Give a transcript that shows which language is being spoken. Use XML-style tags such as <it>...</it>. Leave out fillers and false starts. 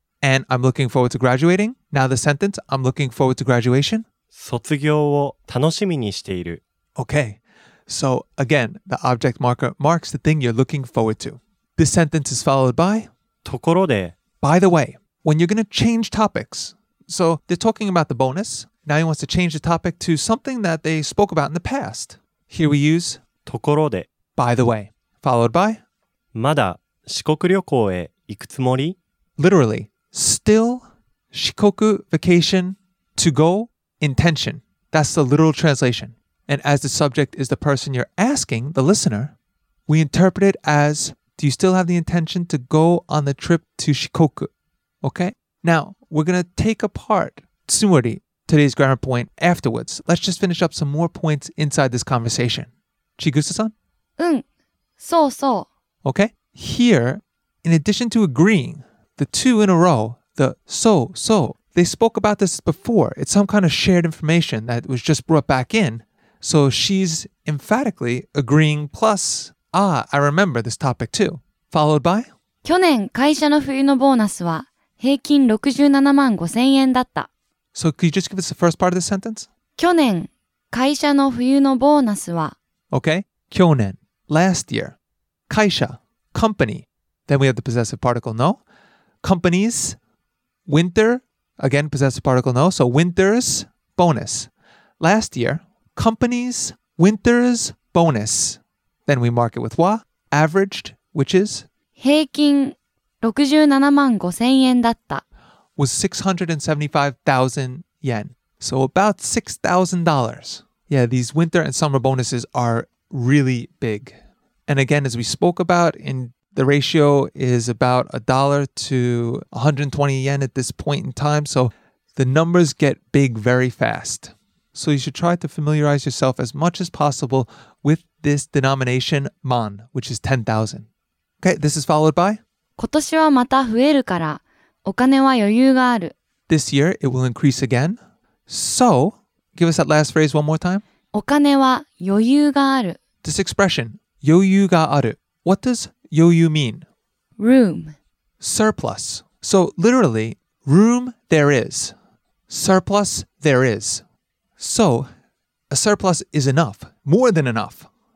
<en>and I'm looking forward to graduating, now the sentence, I'm looking forward to graduation</en> <ja>卒業を楽しみにしている。</ja> <en>Okay, so again, the object marker marks the thing you're looking forward to. This sentence is followed by</en> <ja>ところで</ja> <en>By the way,When you're going to change topics, so they're talking about the bonus. Now he wants to change the topic to something that they spoke about in the past. Here we use ところで By the way, followed by</en> <ja>まだ四国旅行へ行くつもり?</ja> <en>Literally, still 四国 vacation to go intention. That's the literal translation. And as the subject is the person you're asking, the listener, we interpret it as do you still have the intention to go on the trip to 四国? Okay, now we're going to take apart tsumori, today's grammar point, afterwards. Let's just finish up some more points inside this conversation. Chigusa-san?</en> <ja>うん、そうそう。</ja> <en>Okay, here, in addition to agreeing, the two in a row, the so, so, they spoke about this before. It's some kind of shared information that was just brought back in. So she's emphatically agreeing plus, ah, I remember this topic too. Followed by?</en> <ja>去年会社の冬のボーナスは平均67万5000円だった。</ja> <en>So, could you just give us the first part of the sentence?</en> <ja>去年、会社の冬のボーナスは。</ja> <en>Okay, 去年、last year. 会社、company. Then we have the possessive particle no. Companies, winter, again, possessive particle no. So, winter's bonus. Last year, company's winter's bonus Then we mark it with wa, averaged, which is?</en> <ja>平均67万5千円だった</ja> <en>was 675,000 yen. So about $6,000. Yeah, these winter and summer bonuses are really big. And again, as we spoke about, in the ratio is about a dollar to 120 yen at this point in time. So the numbers get big very fast. So you should try to familiarize yourself as much as possible with this denomination, man, which is 10,000. Okay, this is followed by? 今年はまた増えるから、お金は余裕がある。 This year, it will increase again. So, give us that last phrase one more time.</en> <ja>お金は余裕がある。</ja> <en>This expression,</en> <ja>余裕がある。</ja> <en>What does 余裕 mean? Room. Surplus. So, literally, room there is. Surplus there is. So, a surplus is enough. More than enough.</en>